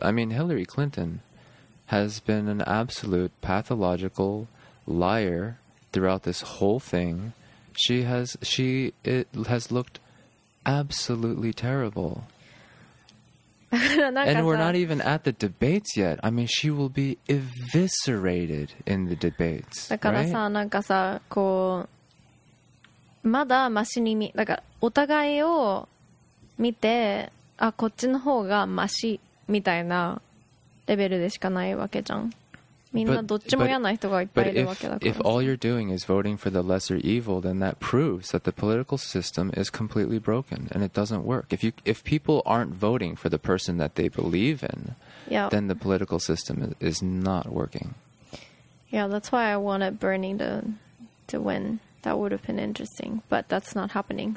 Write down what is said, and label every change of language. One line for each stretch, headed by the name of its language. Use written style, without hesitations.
English: I mean, Hillary Clinton has been an absolute pathological liar throughout this whole thing. She has looked absolutely terrible. And we're not even at the debates yet. I mean, she will be eviscerated in the debates.
Japanese: だからさ、
English: right?
Japanese: なんかさ、こう、まだマシに見、だからお互いを見て、あ、こっちの方がマシみたいなレベルでしかないわけじゃん。みんなどっちも嫌な人がいっぱいいるわけだから。
English: If all you're doing is voting for the lesser evil, then that proves that the political system is completely broken and it doesn't work. If people aren't voting for the person that they believe in, yeah. then the political system is not working. Yeah, that's why I wanted Bernie to win. That would have been interesting, but that's not happening.